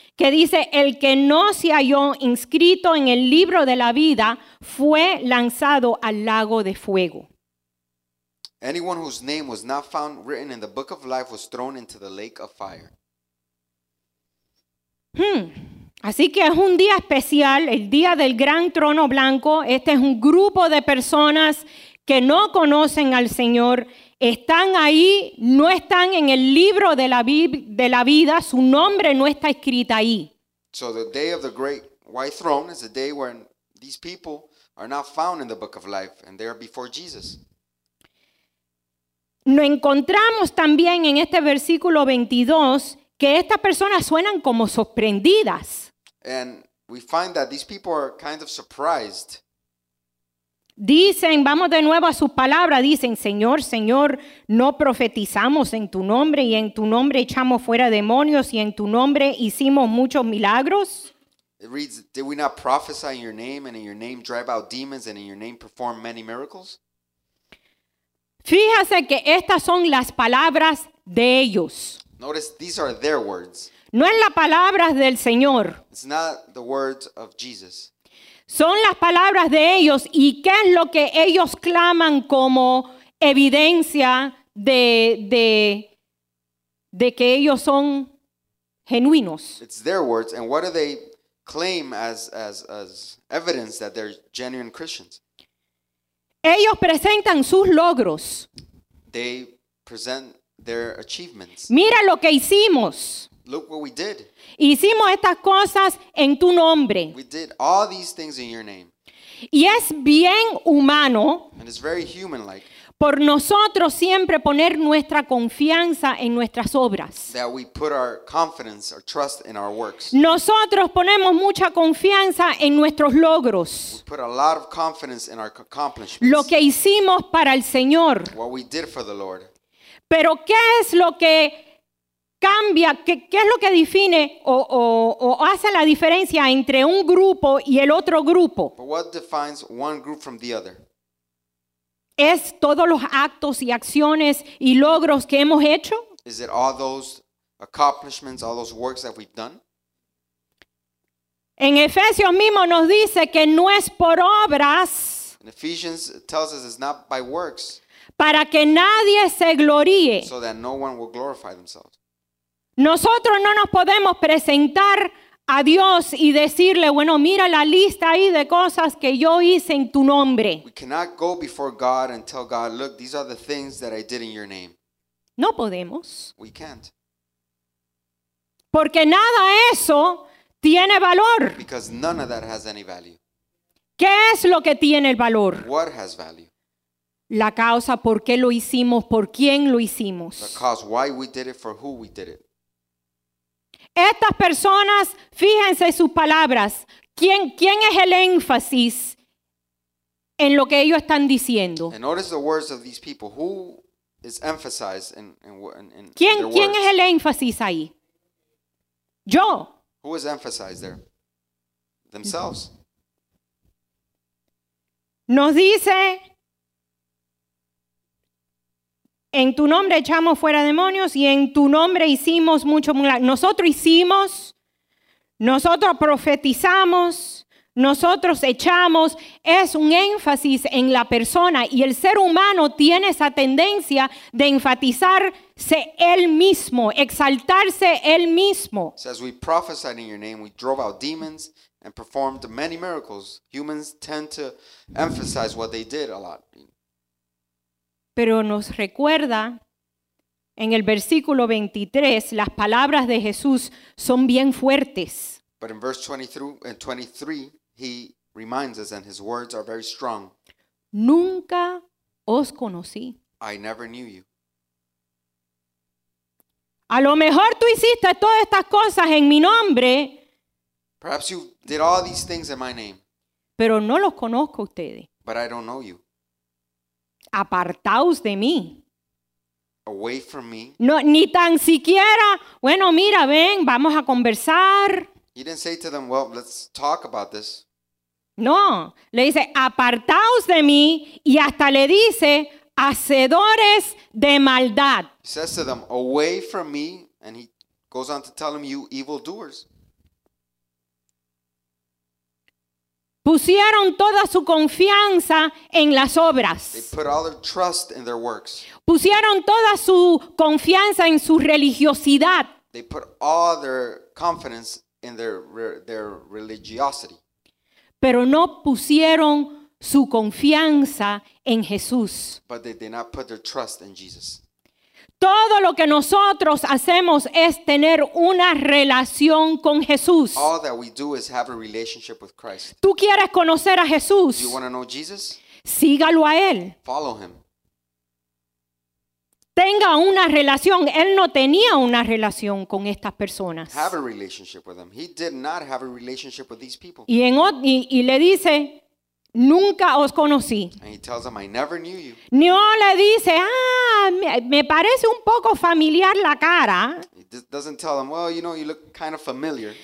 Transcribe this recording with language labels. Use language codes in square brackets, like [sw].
[es] Que dice, el que no se halló inscrito en el libro de la vida fue lanzado al lago de fuego. [en] Anyone whose name was not found written in the book of life was thrown into the lake of fire. [es] Así que es un día especial, el día del gran trono blanco. Este es un grupo de personas que no conocen al Señor. Están ahí, no están en el libro de la vida, su nombre no está escrito ahí. [en] So the day of the great white throne is the day when these people are not found in the book of life and they are before Jesus. [es] Nos encontramos también en este versículo 22 que estas personas suenan como sorprendidas. [en] And we find that these people are kind of surprised. [es] Dicen, vamos de nuevo a sus palabras, dicen, Señor, Señor, no profetizamos en tu nombre y en tu nombre echamos fuera demonios y en tu nombre hicimos muchos milagros. [en] It reads, did we not prophesy in your name and in your name drive out demons and in your name perform many miracles? [es] Fíjense que estas son las palabras de ellos. [en] Notice, these are their words. [es] No es la palabra del Señor. [en] It's not the words of Jesus. [es] Son las palabras de ellos, y qué es lo que ellos claman como evidencia de que ellos son genuinos. [en] It's their words, and what do they claim as evidence that they're genuine Christians? [es] Ellos presentan sus logros. [en] They present their achievements. [es] Mira lo que hicimos. [en] Look what we did. [es] Hicimos estas cosas en tu nombre. [en] We did all these things in your name. [es] Y es bien humano. [en] And it's very human-like. [es] Por nosotros siempre poner nuestra confianza en nuestras obras. [en] That we put our confidence, our trust in our works. [es] Nosotros ponemos mucha confianza en nuestros logros. [en] We put a lot of confidence in our accomplishments. [es] Lo que hicimos para el Señor. [en] What we did for the Lord. [es] Pero ¿qué es lo que cambia, qué es lo que define o hace la diferencia entre un grupo y el otro grupo? [en] But what defines one group from the other? [es] ¿Es todos los actos y acciones y logros que hemos hecho? [en] Is it all those accomplishments, all those works that we've done? [es] En Efesios mismo nos dice que no es por obras. [en] In Ephesians it tells us it's not by works. [es] Para que nadie se gloríe. [en] So that no one will glorify themselves. [es] Nosotros no nos podemos presentar a Dios y decirle, bueno, mira la lista ahí de cosas que yo hice en tu nombre. [en] We cannot go before God and tell God, look, these are the things that I did in your name. [es] No podemos. [en] We can't. [es] Porque nada de eso tiene valor. [en] Because none of that has any value. [es] ¿Qué es lo que tiene el valor? [en] What has value? [es] La causa, ¿por qué lo hicimos? ¿Por quién lo hicimos? [en] The cause, why we did it, for who we did it. [es] Estas personas, fíjense sus palabras. ¿Quién es el énfasis en lo que ellos están diciendo? [en] And notice the words of these people. Who is emphasized in [es] ¿Quién, [en] their words? [es] ¿Quién es el énfasis ahí? Yo. [en] Who is emphasized there? Themselves. [es] Nos dice, en tu nombre echamos fuera demonios y en tu nombre hicimos mucho milagro. Nosotros hicimos, nosotros profetizamos, nosotros echamos. Es un énfasis en la persona, y el ser humano tiene esa tendencia de enfatizarse él mismo, exaltarse él mismo. [en] So as we prophesied in your name, we drove out demons and performed many miracles. Humans tend to emphasize what they did a lot. [es] Pero nos recuerda en el versículo 23, las palabras de Jesús son bien fuertes. [en] But in verse 23, he reminds us, and his words are very strong. [es] Nunca os conocí. [en] I never knew you. [es] A lo mejor tú hiciste todas estas cosas en mi nombre. [en] Perhaps you did all these things in my name. [es] Pero no los conozco a ustedes. [en] But I don't know you. [es] Apartaos de mí. [en] Away from me. [es] No, ni tan siquiera, bueno, mira, ven, vamos a conversar. [en] He didn't say to them, well, let's talk about this. [es] No, le dice, apartaos de mí, y hasta le dice, hacedores de maldad. [en] He says to them, away from me, and he goes on to tell them, you evildoers. [es] Pusieron toda su confianza en las obras. [en] They put all their trust in their works. [es] Pusieron toda su confianza en su religiosidad. [en] They put all their confidence in their religiosity. [es] Pero no pusieron su confianza en Jesús. [en] But they did not put their trust in Jesus. [es] Todo lo que nosotros hacemos es tener una relación con Jesús. [en] All that we do is have a relationship with Christ. [es] ¿Tú quieres conocer a Jesús? [en] You want to know Jesus? [es] Sígalo a Él. [en] Follow Him. [es] Tenga una relación. Él no tenía una relación con estas personas. [en] Have a relationship with them. He did not have a relationship with these people. [es] Y le dice, nunca os conocí. [en] And he tells them, I never knew you. [es] No le dice, me parece un poco familiar la cara. [en] He doesn't tell them, well, you know, you look kind of familiar.